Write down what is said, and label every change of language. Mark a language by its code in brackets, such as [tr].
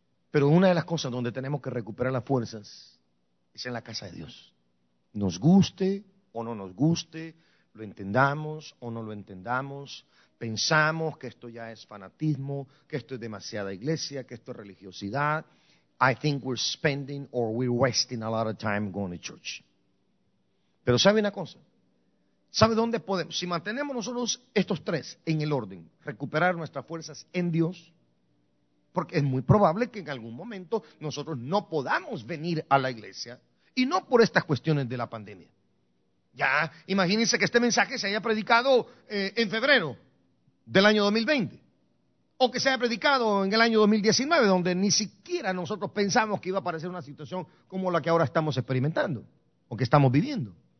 [es] Pero una de las cosas donde tenemos que recuperar las fuerzas es en la casa de Dios. Nos guste o no nos guste, lo entendamos o no lo entendamos, pensamos que esto ya es fanatismo, que esto es demasiada iglesia, que esto es religiosidad, [en] I think we're spending or we're wasting a lot of time going to church. [es] Pero sabe una cosa. ¿Sabe dónde podemos? Si mantenemos nosotros estos tres en el orden, recuperar nuestras fuerzas en Dios, porque es muy probable que en algún momento nosotros no podamos venir a la iglesia, y no por estas cuestiones de la pandemia. Ya, imagínense que este mensaje se haya predicado en febrero del año 2020, o que se haya predicado en el año 2019, donde ni siquiera nosotros pensamos que iba a aparecer una situación como la que ahora estamos experimentando, o que estamos viviendo.